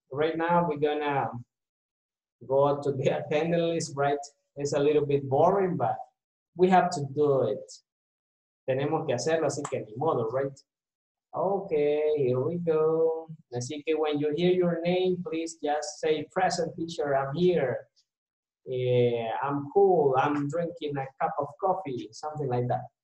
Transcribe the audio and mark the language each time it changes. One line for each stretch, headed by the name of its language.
English: Right now, we're going to go to the attendance list, right? It's a little bit boring, but we have to do it.
Spanish: Tenemos que hacerlo, así que ni modo, right?
English: Okay, here we go.
Spanish: Así que
English: when you hear your name, please just say, present teacher, I'm here. I'm cool. I'm drinking a cup of coffee, something like that.